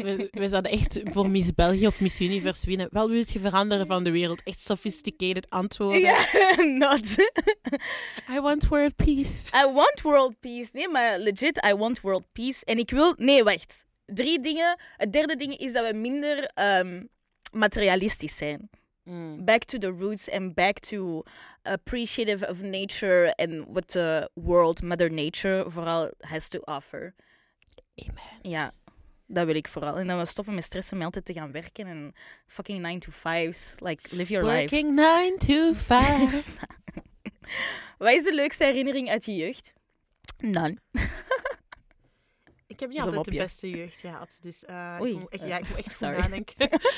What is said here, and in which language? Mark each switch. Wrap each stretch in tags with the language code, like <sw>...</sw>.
<nl>we zouden echt voor Miss België of Miss Universe winnen. Wat wil je veranderen van de wereld? Echt sophisticated antwoorden. Ja, not.</nl> <en>I want world peace. I want world peace.</en> <nl>Nee, maar</nl> <en>legit, I want world peace.</en> <nl>En ik wil... Nee, wacht. Drie dingen. Het derde ding is dat we minder... materialistisch zijn. Mm.</nl> <en>Back to the roots and back to appreciative of nature and what the world, Mother Nature, vooral has to offer. Amen.</en> <nl>Ja, dat wil ik vooral. En dan we stoppen met stressen, met altijd te gaan werken en fucking 9-to-5's.</nl> <en>Like, live your working life. Working 9-to-5.</en> <nl>Wat is de leukste herinnering uit je jeugd?</nl> <en>None.</en> <nl>Ik heb niet altijd de beste jeugd gehad, dus ik moet echt goed nadenken.</nl>